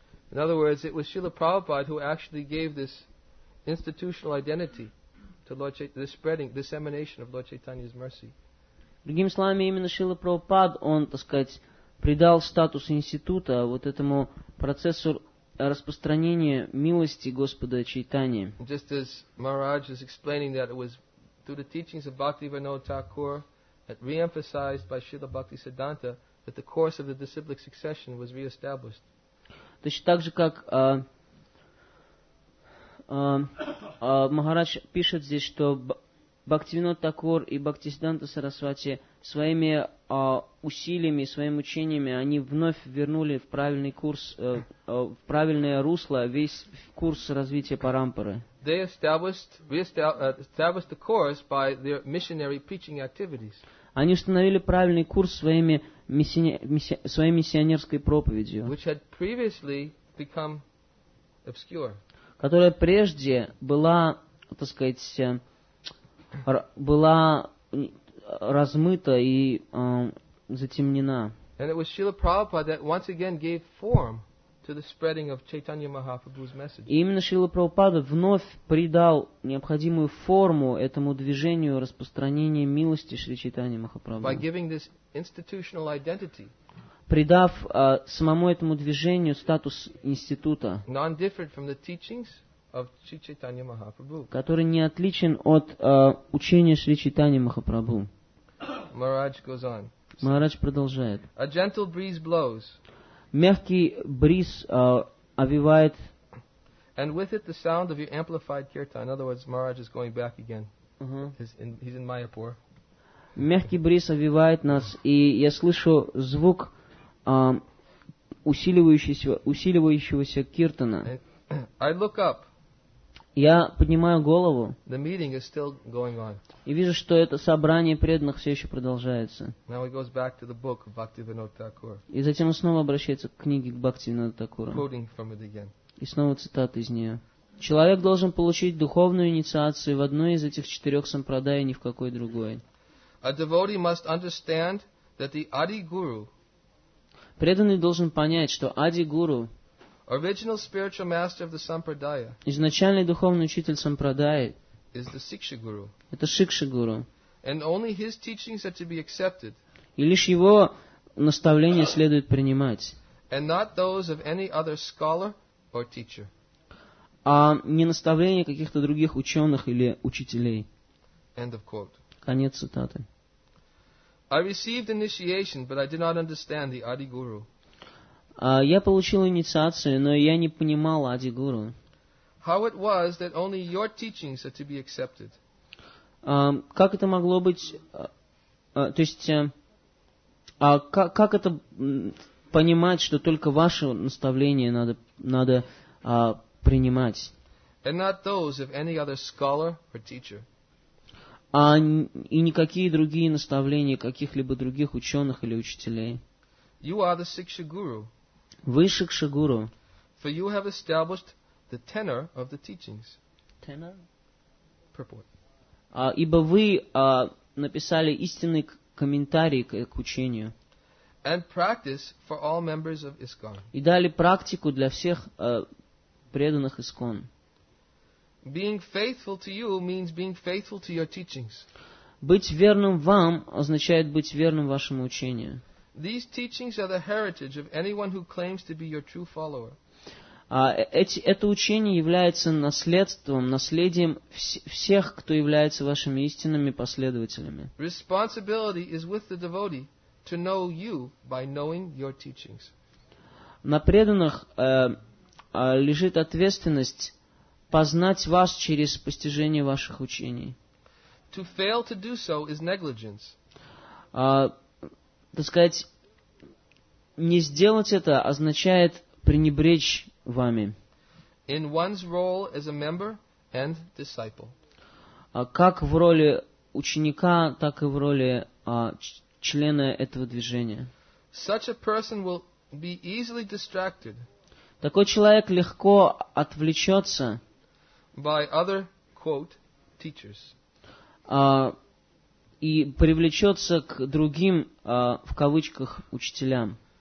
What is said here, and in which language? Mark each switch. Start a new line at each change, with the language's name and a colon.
English: In other words, it was Srila Prabhupada who actually gave this institutional identity to Lord the spreading, dissemination of Lord Chaitanya's mercy.
Russian: Другими словами, именно Шрила Прабхупад, он, так сказать, придал статус института вот этому процессу распространения милости Господа Чайтани.
English: Just as Maharaj is explaining that it was through the teachings of Bhaktivinoda Thakur that re-emphasized by Srila Bhaktisiddhanta that the course of the disciplic succession was re-established.
Russian: Точно так же, как Махарадж пишет здесь, что Бхактивинода Такур и Бхактисиддханта Сарасвати своими усилиями, своими учениями они вновь вернули в правильный курс, в правильное русло весь курс развития парампары.
English: They established the course by their missionary preaching activities.
Russian: Они установили правильный курс своей миссионерской проповедью,
English: which had previously become obscure.
Russian: Которая прежде была, так сказать, была размыта и затемнена.
English: And it was Srila Prabhupada that once again gave form to the spreading of Chaitanya Mahaprabhu's message.
Russian: И именно Шрила Прабхупада вновь придал необходимую форму этому движению распространения милости Шри Чайтаньи Махапрабху.
English: By giving this institutional identity.
Russian: Придав самому этому движению статус института.
English: Non-different from the teachings of Sri Chaitanya Mahaprabhu.
Russian: Который не отличен от учения Шри Чайтаньи Махапрабху.
English: Maharaj goes on.
Russian: Maharaj продолжает.
English: A gentle breeze blows.
Russian: Мягкий бриз овивает.
English: And with it the sound of your amplified kirtan. In other words, Maharaj is going back again. He's in Mayapur.
Russian: Мягкий бриз овивает нас, и я слышу звук усиливающегося киртана.
English: I look up.
Russian: Я поднимаю голову.
English: The meeting is still going on.
Russian: И вижу, что это собрание преданных все еще продолжается.
English: Now he goes back to the book of Bhaktivinoda Thakur.
Russian: И затем он снова обращается к книге Бхактивинода Такура.
English: Quoting from it again.
Russian: И снова цитата из нее. Человек должен получить духовную инициацию в одной из этих четырех сампрадай, ни в какой другой.
English: A devotee must understand that the Adi Guru,
Russian: преданный должен понять, что Ади Гуру,
English: original spiritual master of the sampradaya,
Russian: изначальный духовный учитель сампрадаи,
English: is the Siksha Guru.
Russian: Это Шикша Гуру.
English: And only his teachings are to be accepted.
Russian: И лишь его наставления следует принимать.
English: And not those of any other scholar or teacher.
Russian: А не наставления каких-то других ученых или учителей.
English: End of quote.
Russian: Конец цитаты.
English: I received initiation, but I did not understand the Adi Guru.
Russian: Я получил инициацию, но я не понимал Ади Гуру.
English: How it was that only your teachings are to be accepted?
Russian: Как это могло быть? То есть, как это понимать, что только ваше наставление надо принимать?
English: And not those of any other scholar or teacher.
Russian: А и никакие другие наставления каких-либо других ученых или учителей.
English: You are the Siksha Guru.
Russian: Вы Шикша Гуру.
English: For you have established the tenor of the teachings. Tenor? Purport.
Russian: Ибо вы написали истинный комментарий к учению.
English: And practice for all members of ISKCON.
Russian: И дали практику для всех преданных ISKCON.
English: Being faithful to you means being faithful to your teachings.
Russian: Быть верным вам означает быть верным вашему учению.
English: These teachings are the heritage of anyone who claims to be your true follower.
Russian: Это учение является наследием всех, кто является вашими истинными последователями.
English: Responsibility is with the devotee to know you by knowing your teachings.
Russian: На преданных лежит ответственность познать вас через постижение ваших учений.
English: To fail to do so is negligence.
Russian: Так сказать, не сделать это означает пренебречь вами.
English: In one's role as a member and disciple.
Russian: Как в роли ученика, так и в роли члена этого движения.
English: Such a person will be easily distracted.
Russian: Такой человек легко отвлечется
English: by other quote, teachers.
Russian: И привлечется к другим, в кавычках, учителям.